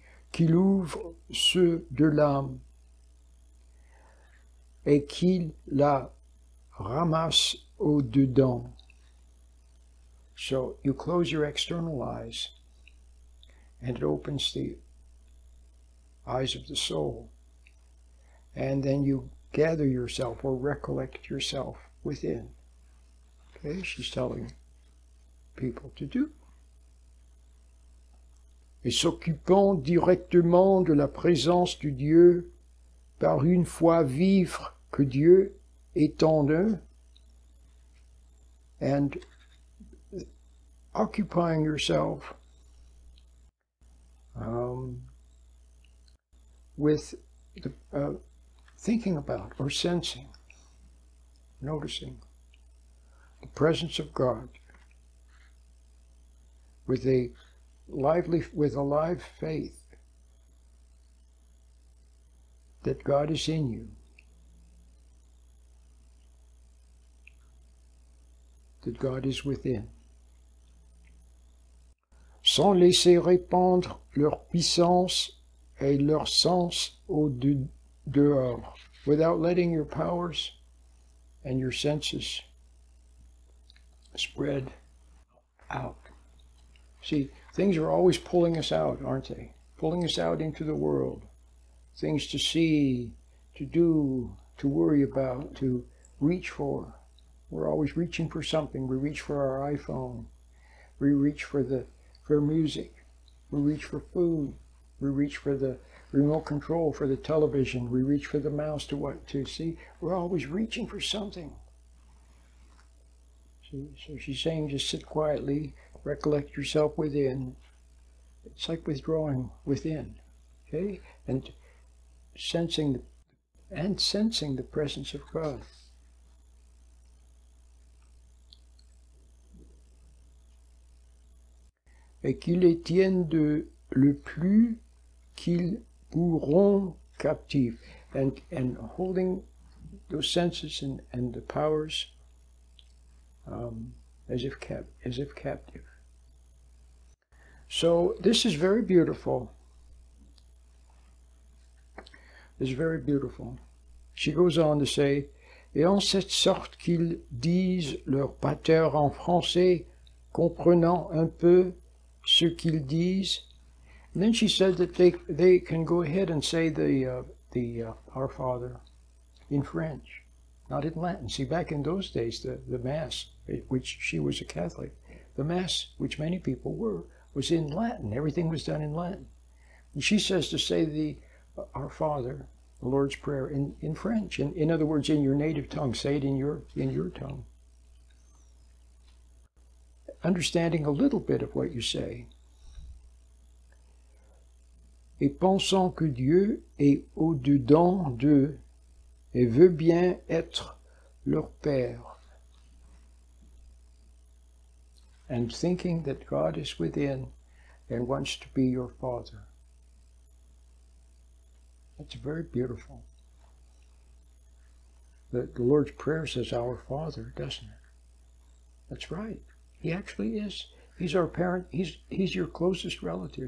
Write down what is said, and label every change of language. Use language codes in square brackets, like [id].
[fr] Qu'il ouvre ceux de l'âme et qu'il la ramasse au-dedans. [en] So you close your external eyes and it opens the eyes of the soul. And then you gather yourself or recollect yourself within. Okay, she's telling people to do. [fr] Et s'occupant directement de la présence de Dieu par une foi vivre que Dieu est en eux. [en] And occupying yourself with the, thinking about or sensing, noticing the presence of God with a lively, with a live faith that God is in you, that God is within. [fr] Sans laisser répandre leur puissance et leur sens au dehors. [en] Without letting your powers and your senses spread out. See, things are always pulling us out, aren't they? Pulling us out into the world. Things to see, to do, to worry about, to reach for. We're always reaching for something. We reach for our iPhone. We reach for the for music. We reach for food. We reach for the remote control for the television. We reach for the mouse to what to see. We're always reaching for something. So she's saying just sit quietly, recollect yourself within. It's like withdrawing within, okay? And sensing the presence of God. [fr] Et qu'il les tienne de le plus qu'ils pourront captifs. [en] And holding those senses and the powers as if captive. So this is very beautiful. It's very beautiful. She goes on to say, [fr] et en cette sorte qu'ils disent leur pater en français, comprenant un peu ce qu'ils disent. [en] And then she said that they can go ahead and say the Our Father in French, not in Latin. See, back in those days, the Mass, which she was a Catholic, the Mass, which many people were, was in Latin. Everything was done in Latin. And she says to say the Our Father, the Lord's Prayer, in French. In other words, in your native tongue, say it in your tongue. Understanding a little bit of what you say. [fr] Et pensant que Dieu est au-dedans d'eux et veut bien être leur père. [en] And thinking that God is within and wants to be your father. That's very beautiful. The Lord's Prayer says our Father, doesn't it? That's right. He actually is. He's our parent. He's your closest relative.